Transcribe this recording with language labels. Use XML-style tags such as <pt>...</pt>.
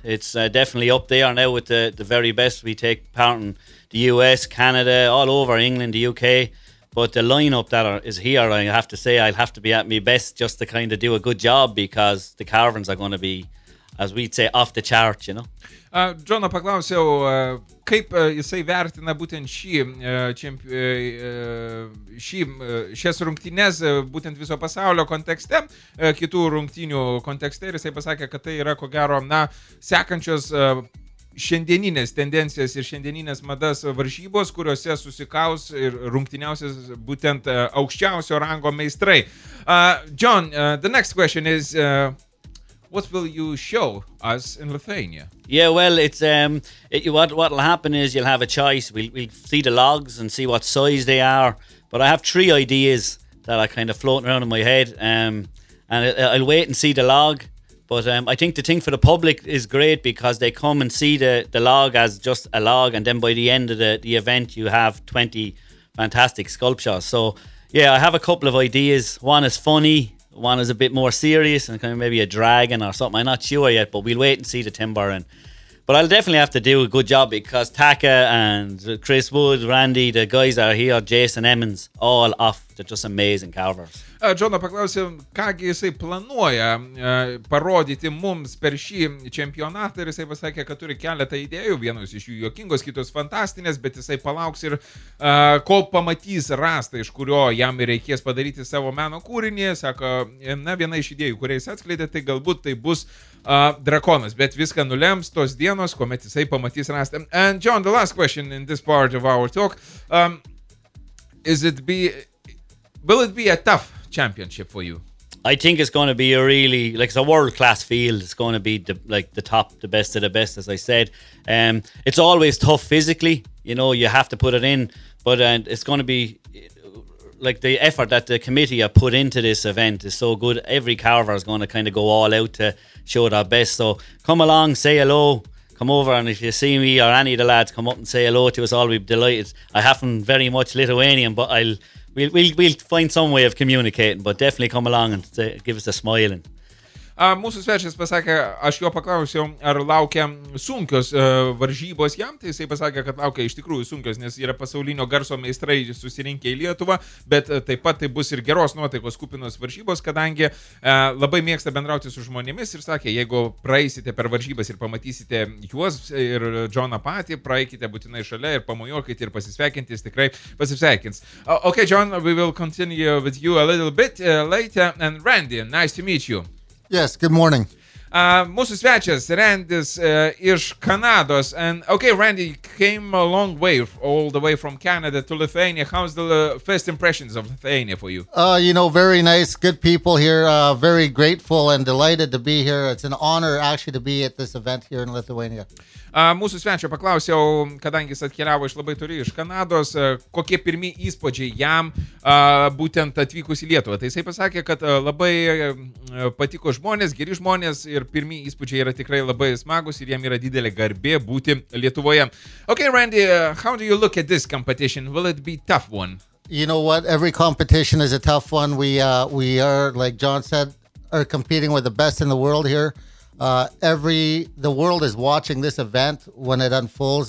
<en>It's definitely up there now with the very best. We take part in the US, Canada, all over England, the UK. But the lineup that is here, I have to say, I'll have to be at my best just to kind of do a good job, because the carvings are going to be, as we'd say, off the chart, you know.</en> <lt>Džono paklausiau, kaip jisai vertina būtent šias rungtynes būtent viso pasaulio kontekste, kitų rungtynių kontekste, ir jisai pasakė, kad tai yra ko gero, na, sekančios šiandieninės tendencijas ir šiandieninės madas varžybos, kuriuose susikaus ir rungtyniausias būtent aukščiausio rango meistrai.</lt> <en>John, the next question is, what will you show us in Lithuania? Yeah, well, it's what will happen is you'll have a choice. We'll see the logs and see what size they are. But I have three ideas that are kind of floating around in my head. And I'll wait and see the log. But I think the thing for the public is great, because they come and see the log as just a log, and then by the end of the event you have 20 fantastic sculptures. So yeah, I have a couple of ideas. One is funny, one is a bit more serious, and kind of maybe a dragon or something. I'm not sure yet, but we'll wait and see the timber. But I'll definitely have to do a good job, because Taka and Chris Wood, Randy, the guys are here, Jason Emmons, all off. They're just amazing carvers.</en> <lt>Džono paklausė, kągi jisai planuoja parodyti mums per šį čempionatą, ir jisai pasakė, kad turi keletą idėjų, vienos iš jų juokingos, kitos fantastinės, bet jisai palauks ir kol pamatys rastą, iš kurio jam reikės padaryti savo meno kūrinį, sako, na, viena iš idėjų, kuriais atskleidė, tai galbūt tai bus drakonas, bet viską nulems tos dienos, kuomet jisai pamatys rastą.</lt> <en>And John, the last question in this part of our talk, will it be a tough championship for you? I think it's going to be a really, like, it's a world-class field. It's going to be the top, the best of the best, as I said. It's always tough physically, you know, you have to put it in, but it's going to be, like, the effort that the committee have put into this event is so good. Every carver is going to kind of go all out to show their best. So come along, say hello, come over, and if you see me or any of the lads, come up and say hello to us all. We'll be delighted. I haven't very much Lithuanian, but We'll find some way of communicating, but definitely come along and give us a smile.</en> <lt>Mūsų svečias pasakė, aš jo paklausiau, ar laukia sunkios varžybos jam, tai jisai pasakė, kad laukia iš tikrųjų sunkios, nes yra pasaulinio garso meistrai susirinkę į Lietuvą, bet taip pat tai bus ir geros nuotaikos kupinos varžybos, kadangi labai mėgsta bendrauti su žmonėmis, ir sakė, jeigu praeisite per varžybas ir pamatysite juos ir Džoną patį, praeikite būtinai šalia ir pamojokite ir pasisveikintis, tikrai pasisveikins.</lt> <en>Okay, John, we will continue with you a little bit later, and Randy, nice to meet you. Yes, good morning.</en> <lt>Mūsų svečias, Randis, iš Kanados.</lt> <en>And okay, Randy, came a long way, all the way from Canada to Lithuania. How's the first impressions of Lithuania for you? You know, very nice, good people here, very grateful and delighted to be here. It's an honor, actually, to be at this event here in Lithuania.</en> <lt>Mūsų svečio paklausiau, kadangi jis atkeliavo iš labai turi iš Kanados, kokie pirmi įspūdžiai jam būtent atvykus į Lietuvą. Tai jisai pasakė, kad labai patiko žmonės, geri žmonės, ir pirmi įspūdžiai yra tikrai labai smagus, ir jam yra didelė garbė būti Lietuvoje.</lt> <en>Okay, Randy, how do you look at this competition? Will it be a tough one? You know what? Every competition is a tough one. We are, like John said, are competing with the best in the world here. The world is watching this event when it unfolds.</en>